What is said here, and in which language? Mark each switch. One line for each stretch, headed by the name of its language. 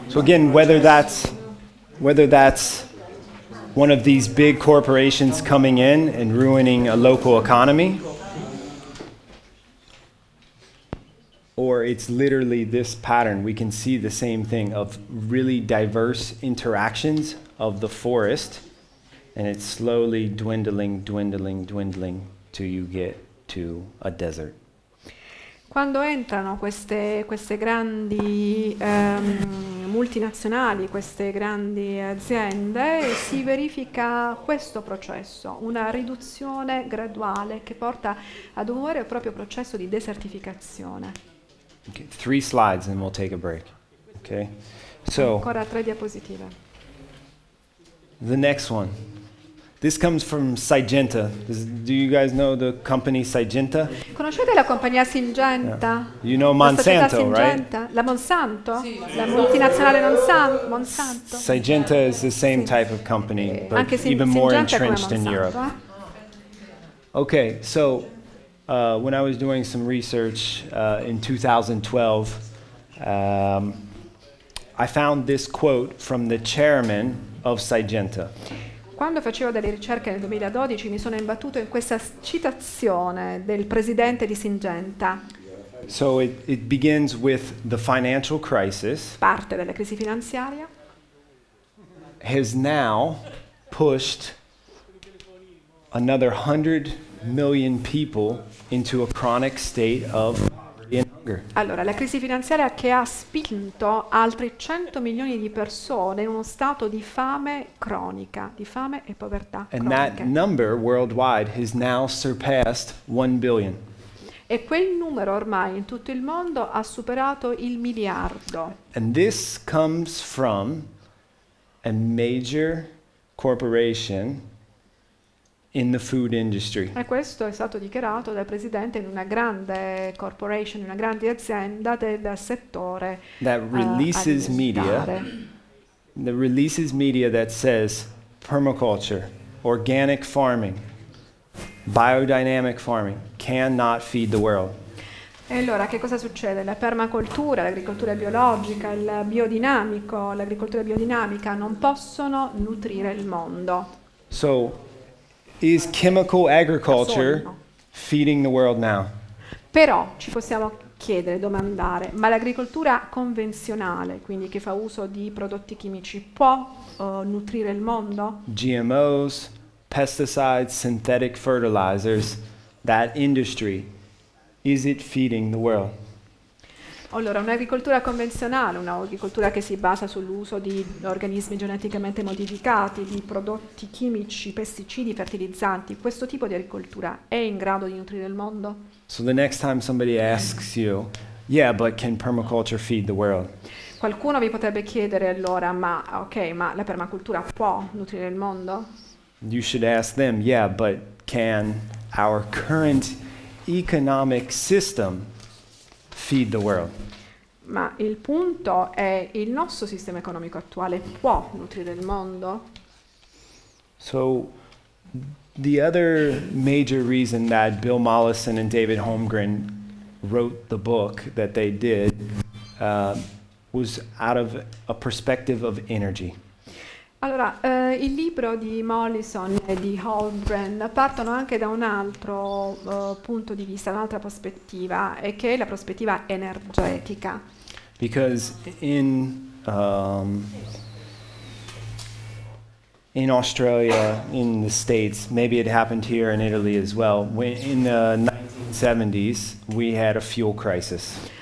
English: So again, whether that's one of these big corporations coming in and ruining a local economy, or it's literally this pattern, we can see the same thing of really diverse interactions of the forest, and it's slowly dwindling till you get to a desert.
Italian: Quando entrano queste grandi multinazionali, queste grandi aziende, si verifica questo processo, una riduzione graduale che porta ad un vero e proprio processo di desertificazione.
English: Okay, three slides and we'll take a break. Okay. So,
Italian: ancora tre diapositive.
English: The next one. This comes from Syngenta. Do you guys know the company Syngenta?
Italian: Conoscete la compagnia Syngenta?
English: Yeah. You know Monsanto,
Italian: la
English: right?
Italian: La Monsanto? Sì. La multinazionale Monsanto?
English: Syngenta is the same type of company, but
Italian: anche
English: even more entrenched
Italian: Monsanto,
English: in Europe. Eh? Okay, so when I was doing some research in 2012, I found this quote from the chairman of Syngenta.
Italian: Quando facevo delle ricerche nel 2012 mi sono imbattuto in questa citazione del presidente di Syngenta.
English: So it begins with the financial crisis.
Italian: Parte della crisi finanziaria.
English: Has now pushed another 100 million people into a chronic state of hunger.
Italian: Allora, la crisi finanziaria che ha spinto altri 100 milioni di persone in uno stato di fame cronica, di fame e povertà cronica.
English: And that number worldwide has now surpassed 1 billion.
Italian: E quel numero ormai in tutto il mondo ha superato il miliardo.
English: And this comes from a major corporation in the food industry.
Italian: E questo è stato dichiarato dal presidente di una grande corporation, una grande azienda del settore
English: that releases media. That releases media that says permaculture, organic farming, biodynamic farming cannot feed the world.
Italian: E allora che cosa succede? La permacultura, l'agricoltura biologica, il biodinamico, l'agricoltura biodinamica non possono nutrire il mondo.
English: So Is chemical agriculture feeding the world now?
Italian: Però ci possiamo chiedere, domandare, ma l'agricoltura convenzionale, quindi che fa uso di prodotti chimici, può nutrire il mondo?
English: GMOs, pesticides, synthetic fertilizers, that industry, is it feeding the world?
Italian: Allora, un'agricoltura convenzionale, un'agricoltura che si basa sull'uso di organismi geneticamente modificati, di prodotti chimici, pesticidi, fertilizzanti, questo tipo di agricoltura è in grado di nutrire il mondo?
English: So the next time somebody asks you, yeah, but can permaculture feed the world?
Italian: Qualcuno vi potrebbe chiedere allora, ma ok, ma la permacultura può nutrire il mondo?
English: You should ask them, yeah, but can our current economic system feed the world?
Italian: Ma il punto è, il nostro sistema economico attuale può nutrire il mondo?
English: So the other major reason that Bill Mollison and David Holmgren wrote the book that they did was out of a perspective of energy.
Italian: Allora, il libro di Mollison e di Holmgren partono anche da un altro punto di vista, un'altra prospettiva, e che è la prospettiva energetica.
English: Because in Australia, in the States, maybe it happened here in Italy as well, in the 1970s we had a fuel crisis.